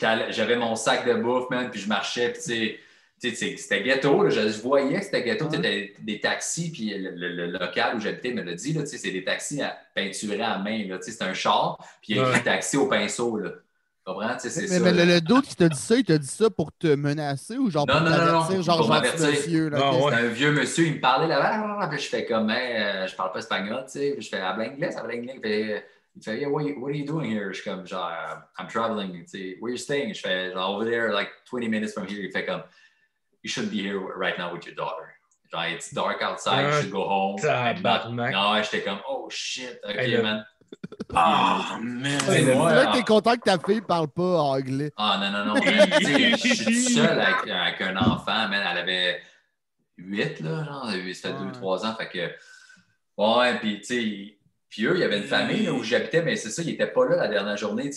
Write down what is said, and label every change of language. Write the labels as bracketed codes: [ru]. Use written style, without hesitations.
[fr] J'avais mon sac de bouffe, man, puis je marchais, puis tu sais, c'était ghetto, là, je voyais que c'était ghetto, c'était des taxis, puis le local où j'habitais me l'a dit, là, tu sais, c'est des taxis peinturés à main, là, tu sais, c'est un char, puis il y a des taxis au pinceau, là. Comprends? Tu sais, c'est mais le dude qui t'a dit ça, il t'a dit ça pour te menacer ou genre pour m'avertir. C'était un vieux monsieur, il me parlait là-bas, puis je fais comme, je parle pas espagnol, tu sais, puis je fais à blingue, puis... Il fait, [en] yeah, what are you doing here? [fr] Je suis comme, genre, [en] I'm traveling. [fr] Tu sais, [en] where are you staying? [fr] Je fais, genre, [en] over there, like 20 minutes from here. [fr] Il fait comme, [en] you shouldn't be here right now with your daughter. Genre, it's dark outside, you should go home. [fr] Tabarnak. Non, j'étais comme, [en] oh shit, okay, hey, man. [fr] C'est vrai que t'es content que ta fille parle pas anglais. Ah, non. Je suis seul avec un enfant, man. Elle avait 8, là, genre, c'était 2-3 ans. Fait que, ouais, pis, tu sais, puis eux, il y avait une famille là, où j'habitais, mais c'est ça, ils n'étaient pas là la dernière journée.